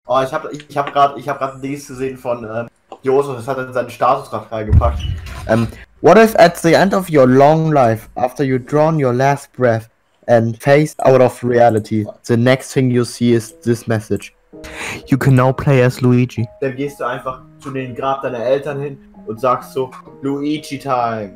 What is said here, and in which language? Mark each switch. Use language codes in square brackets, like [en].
[de] Oh, ich hab grad Dings gesehen von Joseph, das hat er in seinen Status gerade reingepackt. [en] What if at the end of your long life, after you drawn your last breath and face out of reality, the next thing you see is this message. You can now play as Luigi. [de] Dann gehst du einfach zu dem Grab deiner Eltern hin und sagst so, [en] Luigi time.